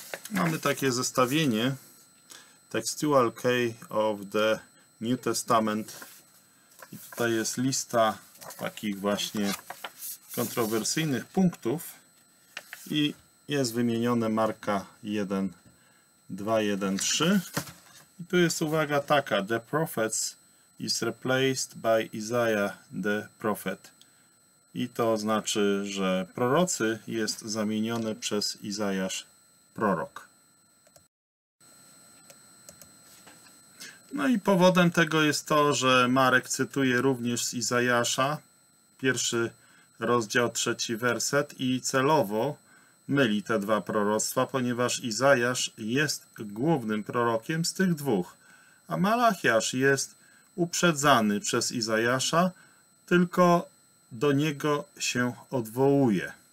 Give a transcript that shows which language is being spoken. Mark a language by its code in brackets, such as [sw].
[pl] Mamy takie zestawienie. Textual Key of the New Testament. I tutaj jest lista takich właśnie kontrowersyjnych punktów. I jest wymienione marka 1, 2, 1, 3. I tu jest uwaga taka. [en] The prophets is replaced by Isaiah the prophet. [pl] I to znaczy, że prorocy jest zamienione przez Izajasz prorok. No i powodem tego jest to, że Marek cytuje również z Izajasza, pierwszy rozdział, trzeci werset, i celowo myli te dwa proroctwa, ponieważ Izajasz jest głównym prorokiem z tych dwóch, a Malachiasz jest uprzedzany przez Izajasza, tylko do niego się odwołuje.